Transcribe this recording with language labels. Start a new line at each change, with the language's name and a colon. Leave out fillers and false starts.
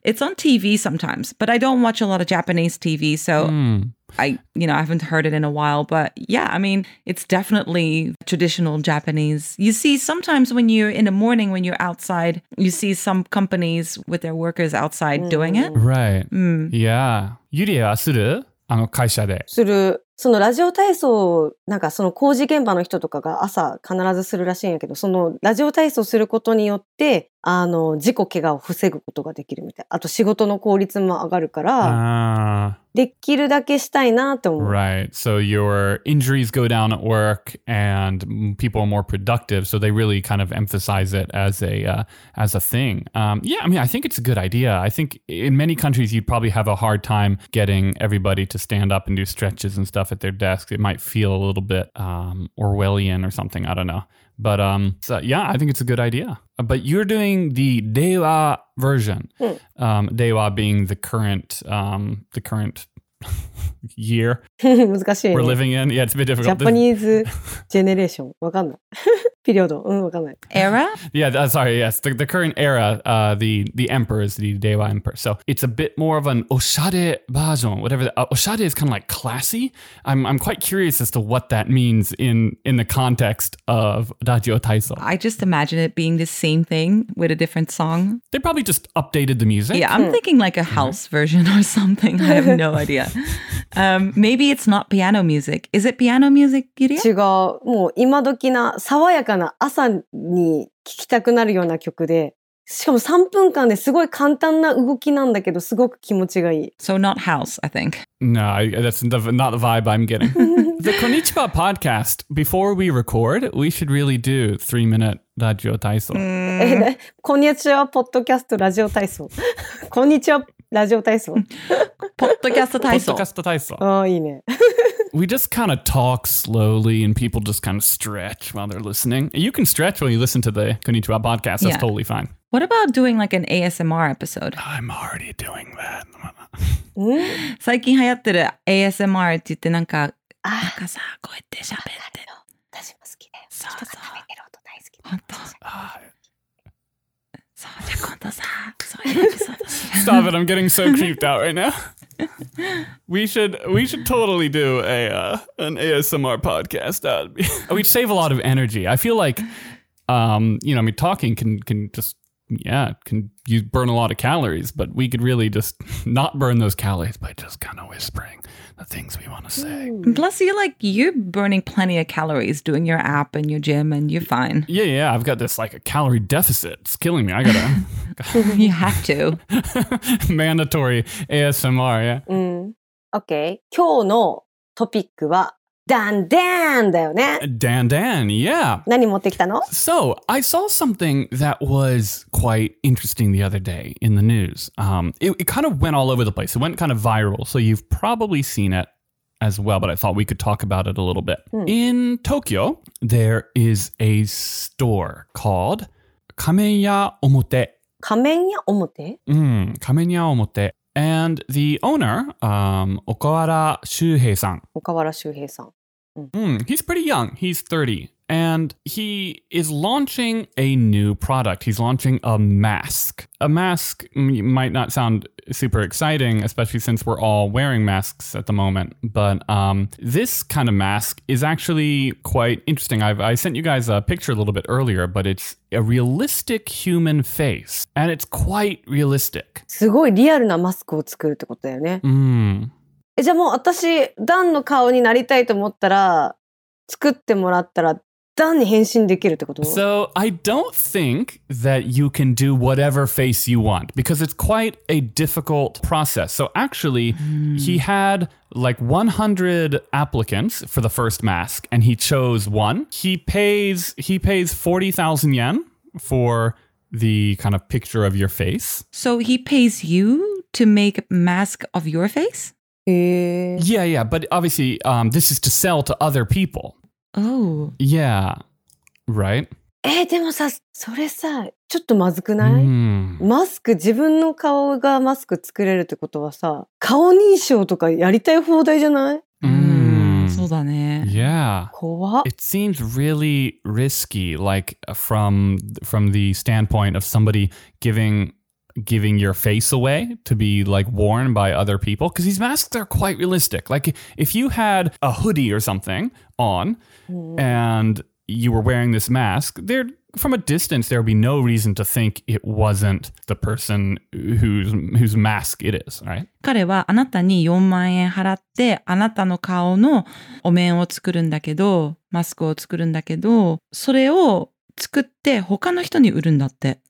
English: It's on TV sometimes, but I don't watch a lot of Japanese TV, so I haven't heard it in a while. But yeah, I mean, it's definitely traditional Japanese. You see, sometimes when you're in the morning, when you're outside, you see some companies with their workers outside doing it. Right. Yeah.
Japanese: Yuri wa suru? あの会社で。する。そのラジオ体操、なんかその工事現場の人とかが朝必ずするらしいんやけど、そのラジオ体操することによって、事故怪我を防ぐことができるみたい。あと仕事の効率も上がるから、できるだけしたいなって思う。
English: Right. So your injuries go down at work and people are more productive. So they really kind of emphasize it as a thing. Yeah, I mean, I think it's a good idea. I think in many countries you'd probably have a hard time getting everybody to stand up and do stretches and stuff at their desks. It might feel a little bit Orwellian or something. I don't know. But so, yeah, I think it's a good idea. But you're doing the Dewa version. Dewa being the current year we're living in. Yeah, it's a bit difficult. Japanese generation. Period. Era? Yeah, sorry, yes. The current era, the emperor is the Dewa emperor. So it's a bit more of an oshare version. Whatever. Oshare is kind of like classy. I'm quite curious as to what that means in the context of Radio Taiso. I just imagine it being the same thing with a different song. They probably just updated the music. Yeah, I'm thinking like a house version or something. I have no idea. maybe it's not piano music. Is it piano music, Yuri?
Japanese: 違う。もう今時な爽やかな朝に聴きたくなるような曲で、しかも3分間ですごい簡単な動きなんだけど、すごく気持ちがいい。
English: So not house, I think. No, that's not the vibe I'm getting. The Konnichiwa podcast, before we record, we should really do 3-minute radio taiso. Konnichiwa podcast radio taiso. Konnichiwa radio taiso. Podcast taiso. Podcast taiso.
Japanese: Oh, いいね。
English: We just kind of talk slowly and people just kind of stretch while they're listening. You can stretch when you listen to the Konnichiwa podcast. That's totally fine. What about doing like an ASMR episode? I'm already doing that.
Japanese: 最近流行ってる ASMR って言ってなんか、なんかさ、こうやって喋って。私も好きだよ。そうそう。人が食べてる音大好きだよ。本当。そう、じゃあ今度さ、そういうエピソードしよう。
English: Stop it, I'm getting so creeped out right now. We should totally do an ASMR podcast. We'd save a lot of energy. I feel like, talking can burn a lot of calories, but we could really just not burn those calories by just kind of whispering. the things we want to say. Plus, you're burning plenty of calories doing your app and your gym, and you're fine. Yeah, yeah. I've got this like a calorie deficit. It's killing me. I gotta. You have to. Mandatory ASMR, yeah. Okay.
Japanese: 今日のトピックはダンダンだよね。ダンダン、yeah. 何持ってきたの?
English: So, I saw something that was quite interesting the other day in the news. It kind of went all over the place. It went kind of viral, so you've probably seen it as well, but I thought we could talk about it a little bit. In Tokyo, there is a store called 仮面屋表。
Japanese: 仮面屋表?
English: 仮面屋表。And the owner, Okawara Shuhei-san. Okawara Shuhei-san. He's pretty young. He's 30. And he is launching a new product. He's launching a mask. A mask might not sound super exciting, especially since we're all wearing masks at the moment. But this kind of mask is actually quite interesting. I sent you guys a picture a little bit earlier, but it's a realistic human face. And it's quite realistic.
Japanese: すごいリアルなマスクを作るってことだよね。じゃあもう私、ダンの顔になりたいと思ったら、作ってもらったら、
English: So I don't think that you can do whatever face you want because it's quite a difficult process. So actually, he had like 100 applicants for the first mask and he chose one. He pays 40,000 yen for the kind of picture of your face. So he pays you to make a mask of your face? Yeah, yeah. But obviously, this is to sell to other people. Oh. Yeah. Right?
Japanese: でもさ、それさ、ちょっとまずくない?マスク、自分の顔がマスク作れるってことはさ、顔認証とかやりたい放題じゃない? そうだね。 Yeah. 怖っ。
English: It seems really risky, like from the standpoint of somebody giving your face away to be like worn by other people because these masks are quite realistic. Like if you had a hoodie or something on and you were wearing this mask, there from a distance there would be no reason to think it wasn't the person whose mask it is, right?
Japanese: 彼はあなたに4万円払ってあなたの顔のお面を作るんだけど、マスクを作るんだけど、それを作って他の人に売るんだって。